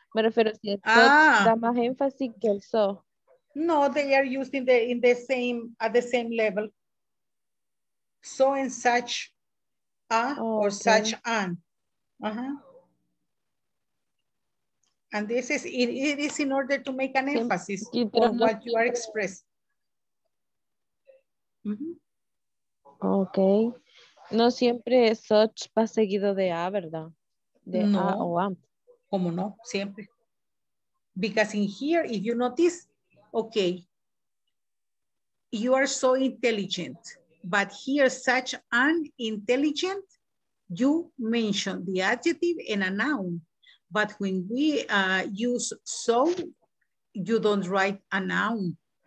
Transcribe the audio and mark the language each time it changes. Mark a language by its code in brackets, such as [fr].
[es] Me refiero si el da más énfasis que el so. [en] No, they are used at the same level. So and such a or such an. Uh-huh. And this is it is in order to make an emphasis on what you are expressing. Mm-hmm. Okay. [es] No siempre such va seguido de a, ¿verdad? De no. A o a. ¿Cómo no? Siempre. [en] Because in here, if you notice, okay, you are so intelligent, but here such an intelligent, you mention the adjective and a noun. But when we use so, you don't write a noun.